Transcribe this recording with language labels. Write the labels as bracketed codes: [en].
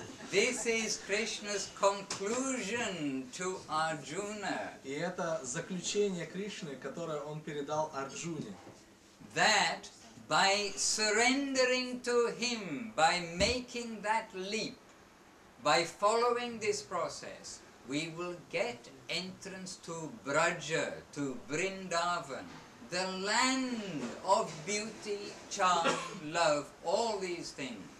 [en] This is Krishna's conclusion to Arjuna. [ru] И это заключение Кришны, которое он передал Арджуне. [en] That by surrendering to him, by making that leap, by following this process, we will get entrance to Braja, to Vrindavan, the land of beauty, charm, love, all these things.